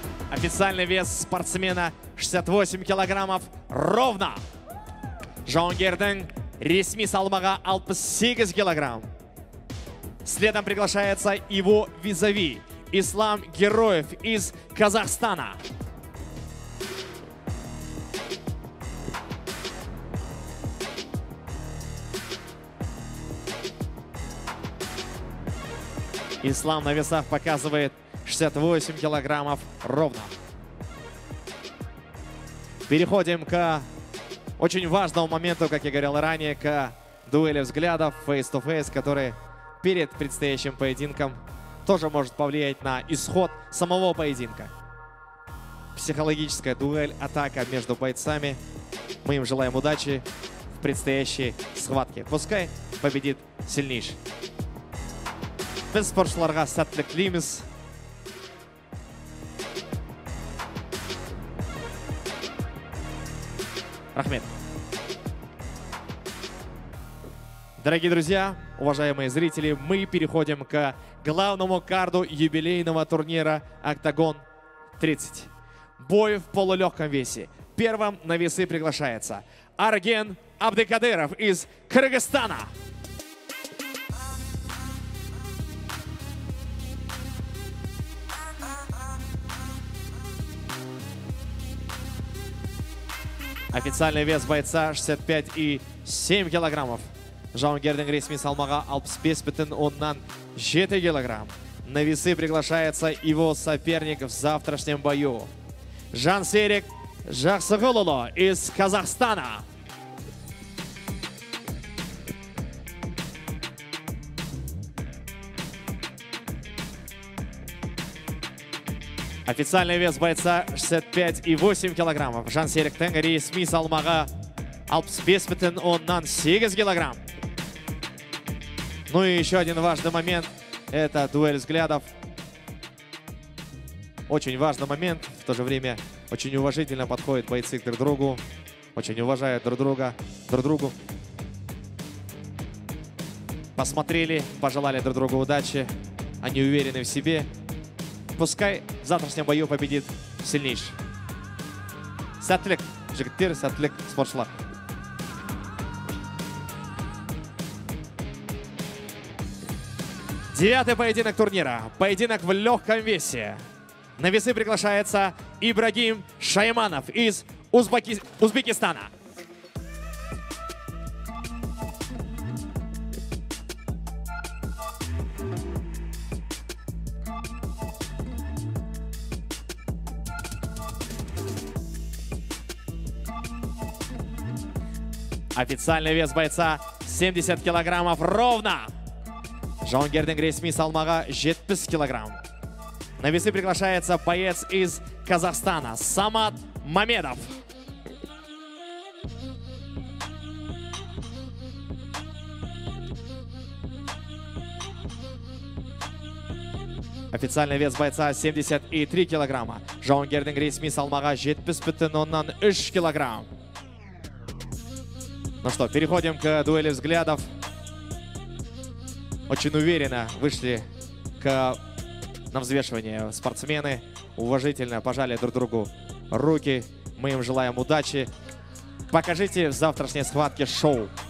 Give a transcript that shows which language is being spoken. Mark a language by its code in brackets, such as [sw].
[ru] Официальный вес спортсмена 68 килограммов ровно. [kk] Жаунгердің ресми салмағы 68 килограмм. [ru] Следом приглашается его визави Ислам Героев из Казахстана. Ислам на весах показывает 68 килограммов ровно. Переходим к очень важному моменту, как я говорил ранее, к дуэли взглядов face-to-face, который перед предстоящим поединком тоже может повлиять на исход самого поединка. Психологическая дуэль, атака между бойцами. Мы им желаем удачи в предстоящей схватке. Пускай победит сильнейший. [kk] Беспоршларга сәттілік тілейміз. Рахмет. [ru] Дорогие друзья, уважаемые зрители, мы переходим к главному карду юбилейного турнира «Октагон 30». Бой в полулегком весе. Первым на весы приглашается Арген Абдыкадыров из Кыргызстана. Официальный вес бойца 65,7 килограммов. [kk] Жауынгердің ресми салмағы 65,7 килограмм. [ru] На весы приглашается его соперник в завтрашнем бою. Жансерик Жақсығылұлы из Казахстана. Официальный вес бойца 65,8 килограммов. [kk] Жансеріктің ресми салмағы 65,8 килограмм. [ru] Ну и еще один важный момент. Это дуэль взглядов. Очень важный момент. В то же время очень уважительно подходят бойцы друг к другу. Очень уважают друг друга. Посмотрели, пожелали друг другу удачи. Они уверены в себе. Пускай в завтрашнем бою победит сильнейший. [kk] Сәттілік, жігіттер, сәттілік, спортшылар. [ru] Девятый поединок турнира. Поединок в легком весе. На весы приглашается Ибрагим Шайманов из Узбекистана. Официальный вес бойца 70 килограммов ровно. [kk] Жауынгердің ресми салмағы 70 килограмм. [ru] На весы приглашается боец из Казахстана Самат Мамедов. Официальный вес бойца 73 килограмма. [kk] Жауынгердің ресми салмағы 70,3 килограмм. [ru] Ну что, переходим к дуэли взглядов. Очень уверенно вышли на взвешивание спортсмены. Уважительно пожали друг другу руки. Мы им желаем удачи. Покажите в завтрашней схватке шоу.